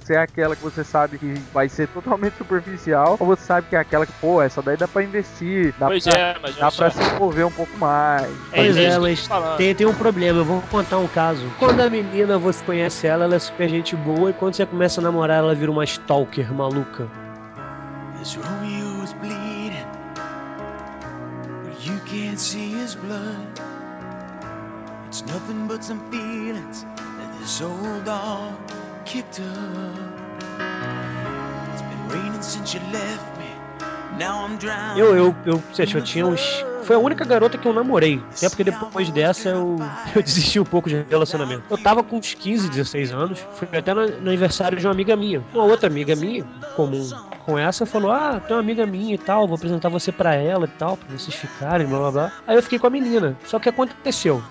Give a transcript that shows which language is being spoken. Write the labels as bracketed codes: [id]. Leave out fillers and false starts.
[pt] Se é aquela que você sabe que vai ser totalmente superficial, ou você sabe que é aquela que, pô, essa daí dá pra investir. Dá pois pra, é, mas dá pra se envolver um pouco mais. Pois é, mas tem um problema. Eu vou contar um caso. Quando a menina, você conhece ela, ela é super gente boa, e quando você começa a namorar, ela vira uma stalker maluca. [en] As Romeo's bleed, but you can't see his blood. It's nothing but some feelings that this old dog kicked up. It's been raining since you left me. Now I'm drowning. [pt] Eu acho, tinha uns... Foi a única garota que eu namorei. Até porque depois dessa eu desisti um pouco de relacionamento. Eu tava com uns 15, 16 anos. Fui até no aniversário de uma amiga minha. Uma outra amiga minha, comum com essa, falou, ah, tem uma amiga minha e tal, vou apresentar você pra ela e tal, pra vocês ficarem, blá blá blá. Aí eu fiquei com a menina. Só que aconteceu.